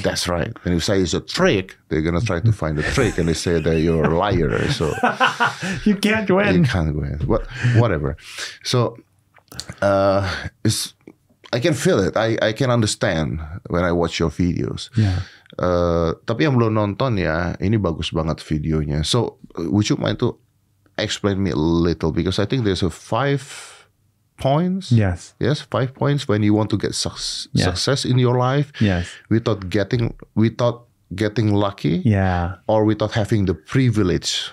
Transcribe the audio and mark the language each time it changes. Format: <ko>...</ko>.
<en>That's right. And if you say it's a trick, they're going to try to find the trick and they say that you're a liar. So you can't win. You can't win. But whatever. So I can feel it. I can understand when I watch your videos. Yeah.</en> <id>Tapi yang belum nonton ya, ini bagus banget videonya.</id> <en>So would you mind to explain me a little? Because I think there's a 5 points. Yes, 5 points when you want to get success in your life. Yes, without getting lucky. Yeah, or without having the privilege.</en>